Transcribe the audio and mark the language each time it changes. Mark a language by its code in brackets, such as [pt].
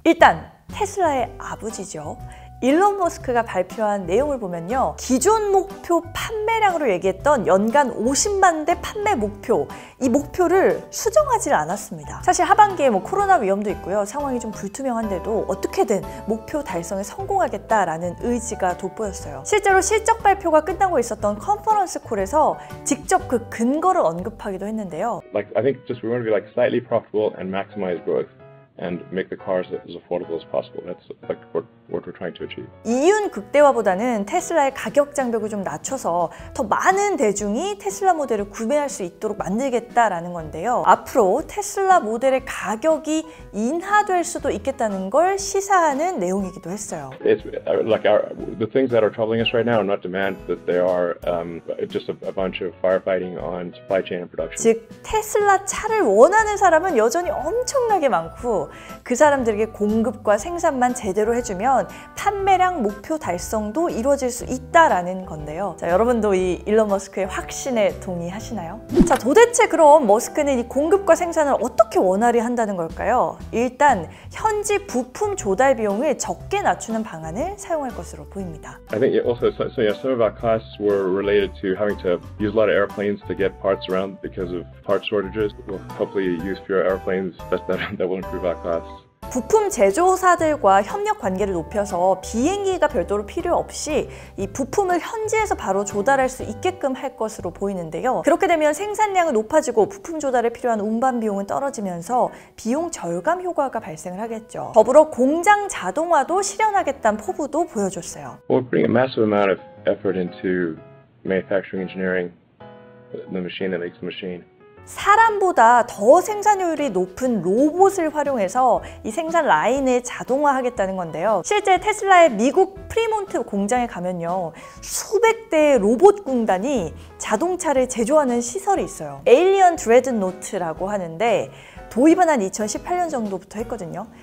[ko] 일단 테슬라의 아버지죠. 일론 머스크가 발표한 내용을 보면요, 기존 목표 판매량으로 얘기했던 연간 50만 대 판매 목표, 이 목표를 수정하지 않았습니다. 사실 하반기에 뭐 코로나 위험도 있고요, 상황이 좀 불투명한데도 어떻게든 목표 달성에 성공하겠다라는 의지가 돋보였어요. 실제로 실적 발표가 끝나고 있었던 컨퍼런스 콜에서 직접 그 근거를 언급하기도 했는데요. [en] Like I think just we want to be like slightly profitable and maximize growth. And make the cars as affordable as possible. That's like what we're trying to achieve. [ko] 이윤 극대화보다는 테슬라의 가격 장벽을 좀 낮춰서 더 많은 대중이 테슬라 모델을 구매할 수 있도록 만들겠다라는 건데요. 앞으로 테슬라 모델의 가격이 인하될 수도 있겠다는 걸 시사하는 내용이기도 했어요. [en] It's like the things that are troubling us right now are not demand, but they are just a bunch of firefighting on supply chain and production. [ko] 즉 테슬라 차를 원하는 사람은 여전히 엄청나게 많고 그 사람들에게 공급과 생산만 제대로 해주면 판매량 목표 달성도 이루어질 수 있다라는 건데요. 자, 여러분도 이 일론 머스크의 확신에 동의하시나요? 자, 도대체 그럼 머스크는 이 공급과 생산을 어떻게 원활히 한다는 걸까요? 일단 현지 부품 조달 비용을 적게 낮추는 방안을 사용할 것으로 보입니다. [en] I think also so yeah, some of our costs were related to having to use a lot of airplanes to get parts around because of part shortages. We'll hopefully use fewer airplanes. That will improve our costs. [ko] 부품 제조사들과 협력 관계를 높여서 비행기가 별도로 필요 없이 이 부품을 현지에서 바로 조달할 수 있게끔 할 것으로 보이는데요. 그렇게 되면 생산량은 높아지고 부품 조달에 필요한 운반 비용은 떨어지면서 비용 절감 효과가 발생을 하겠죠. 더불어 공장 자동화도 실현하겠다는 포부도 보여줬어요. [en] We're putting a massive amount of effort into manufacturing engineering, the machine that makes the machine. [ko] 사람보다 더 생산효율이 높은 로봇을 활용해서 이 생산 라인을 자동화하겠다는 건데요. 실제 테슬라의 미국 프리몬트 공장에 가면요. 수백 대의 로봇 군단이 자동차를 제조하는 시설이 있어요. 에일리언 드레드노트라고 하는데 도입은 한 2018년 정도부터 했거든요.